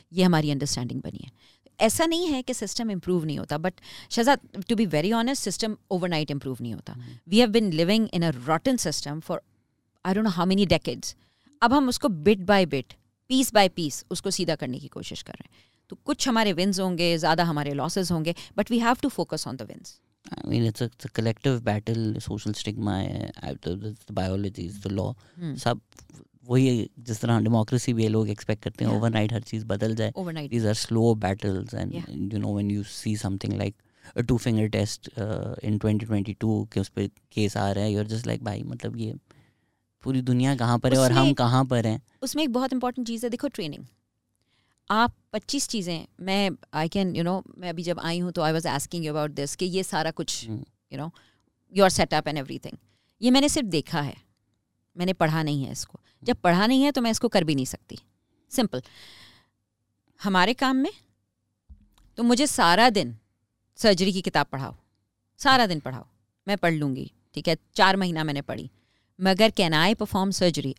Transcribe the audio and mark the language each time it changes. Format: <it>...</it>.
<hi>ये हमारी अंडरस्टैंडिंग बनी है. ऐसा नहीं है कि सिस्टम इम्प्रूव नहीं होता, but Shahzad</hi> <en>to be very honest,</en> <hi>system overnight improve नहीं होता.</hi> <en>We have been living in a rotten system for I don't know how many decades.</en> <hi>अब हम उसको bit by bit, piece bye piece उसको सीधा करने की कोशिश कर रहे हैं. तो कुछ हमारे विन्स होंगे, ज़्यादा हमारे लॉसेज होंगे,</hi> <en>But we have to focus on the wins. I mean, it's a collective battle. Social stigma, the biology, the law.</en> <hi>सब वही जिस तरह democracy भी लोग expect करते हैं, overnight हर चीज़ बदल जाए.</hi> <en>Overnight. These are slow battles, and you know when you see something like a two finger test in 2022</en> <hi>के उस पे case आ रहे हैं,</hi> <en>you're just like</en> <hi>भाई मतलब ये पूरी दुनिया कहाँ पर है और हम कहाँ पर हैं. उसमें एक बहुत important चीज़ है, देखो training. आप 25 चीज़ें, मैं आई कैन यू नो, मैं अभी जब आई हूँ तो I was asking you about this कि ये सारा कुछ you know your setup and everything, ये मैंने सिर्फ देखा है, मैंने पढ़ा नहीं है इसको. जब पढ़ा नहीं है तो मैं इसको कर भी नहीं सकती. सिंपल. हमारे काम में तो मुझे सारा दिन सर्जरी की किताब पढ़ाओ, सारा दिन पढ़ाओ, मैं पढ़ लूँगी, ठीक है, 4 महीना मैंने पढ़ी, मगर</hi> <en>Can I perform surgery?</en>